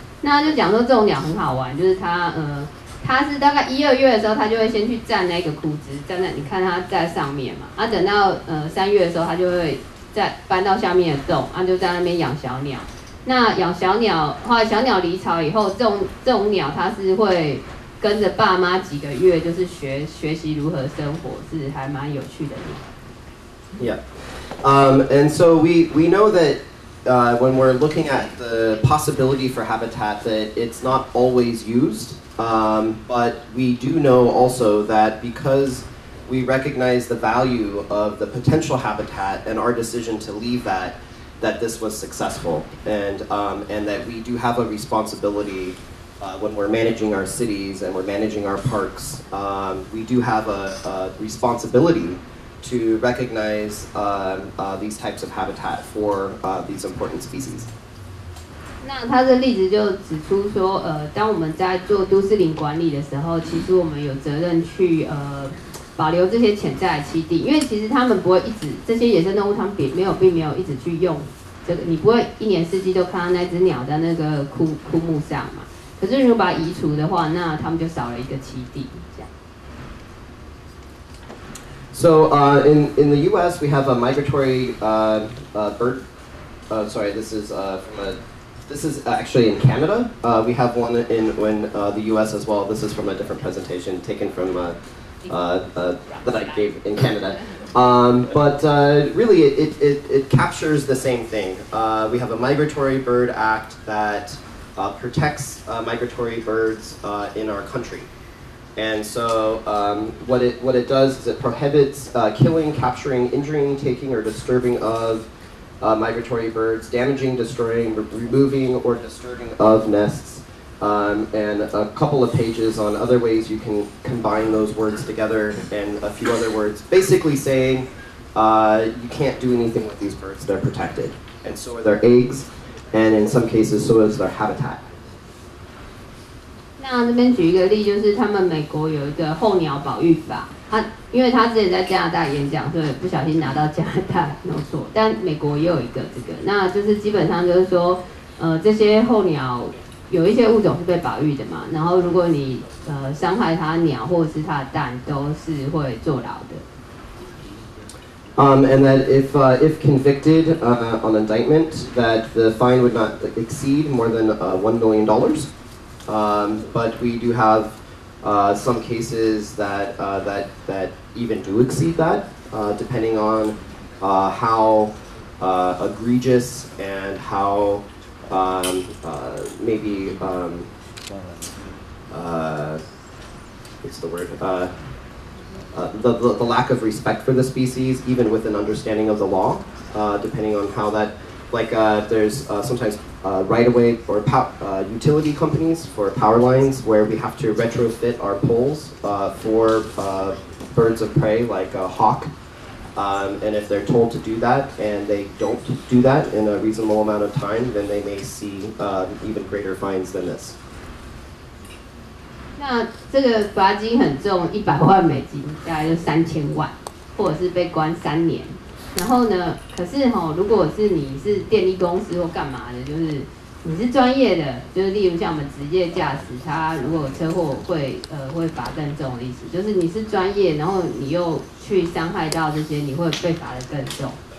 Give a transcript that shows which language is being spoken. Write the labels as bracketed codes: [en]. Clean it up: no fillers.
[zh] 那就讲说这种鸟很好玩，就是它它是大概一二月的时候，它就会先去站那个枯枝，站在你看它在上面嘛，啊等到三月的时候，它就会再搬到下面的洞，啊就在那边养小鸟。那养小鸟，后来小鸟离巢以后，这种鸟它是会跟着爸妈几个月，就是学习如何生活，是还蛮有趣的鸟。 [en] And so we know that. When we're looking at the possibility for habitat, that it's not always used, but we do know also that because we recognize the value of the potential habitat and our decision to leave that, that this was successful, and that we do have a responsibility when we're managing our cities and we're managing our parks, we do have a responsibility. To recognize these types of habitat for these important species. [zh] 那他的例子就指出说，当我们在做都市林管理的时候，其实我们有责任去保留这些潜在的栖地，因为其实他们不会一直这些野生动物，他们并没有一直去用这个，你不会一年四季都看到那只鸟在那个枯木上嘛。可是如果把它移除的话，那他们就少了一个栖地。 [en] So in the U.S., we have a migratory bird. This is actually in Canada. We have one in the U.S. as well. This is from a different presentation taken from that I gave in Canada. But it captures the same thing. We have a Migratory Bird Act that protects migratory birds in our country. And so what it does is it prohibits killing, capturing, injuring, taking, or disturbing of migratory birds, damaging, destroying, removing, or disturbing of nests, and a couple of pages on other ways you can combine those words together and a few other words, basically saying you can't do anything with these birds, they're protected. And so are their eggs, and in some cases, so is their habitat. [zh] 那这边举一个例，就是他们美国有一个候鸟保育法，因为他之前在加拿大演讲，所以不小心拿到加拿大，弄错。但美国也有一个这个，那就是基本上就是说，这些候鸟有一些物种是被保育的嘛，然后如果你伤害它鸟或者是它的蛋，都是会坐牢的。 [en] And that if convicted on indictment, that the fine would not exceed more than $1 million. But we do have some cases that even do exceed that, depending on how egregious and how the lack of respect for the species, even with an understanding of the law, depending on how that, right-of-way or utility companies for power lines where we have to retrofit our poles for birds of prey like a hawk. And if they're told to do that and they don't do that in a reasonable amount of time, then they may see even greater fines than this. [zh] 那这个罚金很重，$1,000,000，大概就3,000,000，或者是被关3年。然后呢？可是哈、哦，如果是你是电力公司或干嘛的，就是你是专业的，就是例如像我们职业驾驶，他如果车祸会罚更重的意思，就是你是专业，然后你又去伤害到这些，你会被罚得更重。